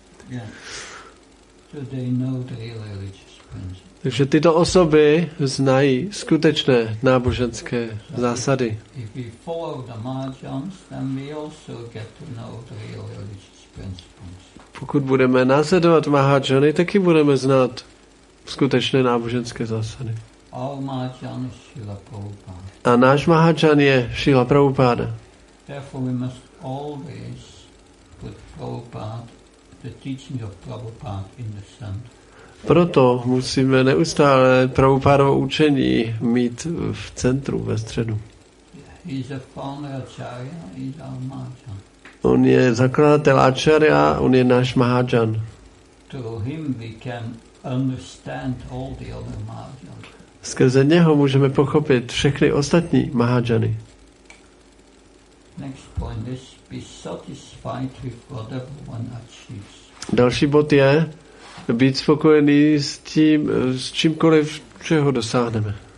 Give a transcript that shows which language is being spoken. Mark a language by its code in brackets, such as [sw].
[en] Yeah. So they know the real religious principles. [cs] Takže tyto osoby znají skutečné náboženské zásady. [en] If we follow the Mahajans, then we also get to know the real religious principles. [cs] Pokud budeme následovat Mahajany, taky budeme znát skutečné náboženské zásady. [en] Our Mahajan is Srila Prabhupada. [cs] A náš Mahajan je Srila Prabhupada. [en] Therefore, we must always put Prabhupada, the teaching of Prabhupada, in the center. [cs] Proto musíme neustále Prabhupádovo učení mít v centru, ve středu. [en] He's a founder Acharya, he's our Mahajan. [cs] On je zakladatel Acharya, on je náš Mahajan. [en] Through him we can understand all the other Mahajans. [cs] Skrze něho můžeme pochopit všechny ostatní Mahajany. [en] Next point is be satisfied with whatever one achieves. [cs] Další bod je být spokojený s tím, s čímkoliv, čeho dosáhneme.